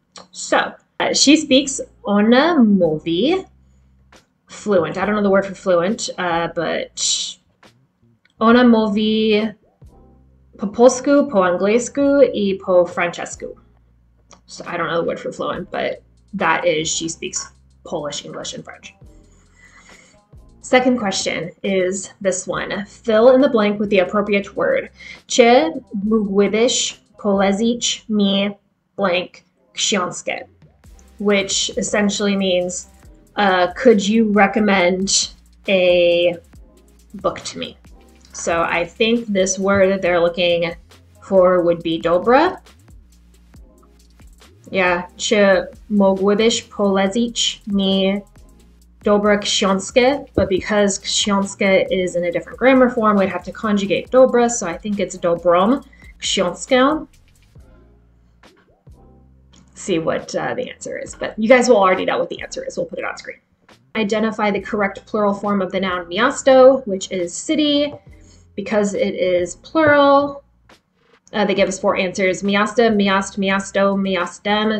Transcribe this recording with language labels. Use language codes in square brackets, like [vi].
[en] So she speaks [pl] ona mówi [en] fluent. I don't know the word for fluent, but [pl] ona mówi po polsku, po angielsku, I po francesku. [en] So I don't know the word for fluent, but that is she speaks Polish, English, and French. Second question is this one. Fill in the blank with the appropriate word. [pl] Czy mógłbyś polecić mi blank książkę? [en] Which essentially means, could you recommend a book to me? So I think this word that they're looking for would be dobra. Yeah, [pl] czy mógłbyś polecić mi dobra książkę, [en] but because książkę is in a different grammar form, we'd have to conjugate dobra, so I think it's dobrą książkę. see what the answer is, but you guys will already know what the answer is. We'll put it on screen. Identify the correct plural form of the noun miasto, which is city. Because it is plural, they give us four answers. [pl] Miasta, miast, miasto, miastem.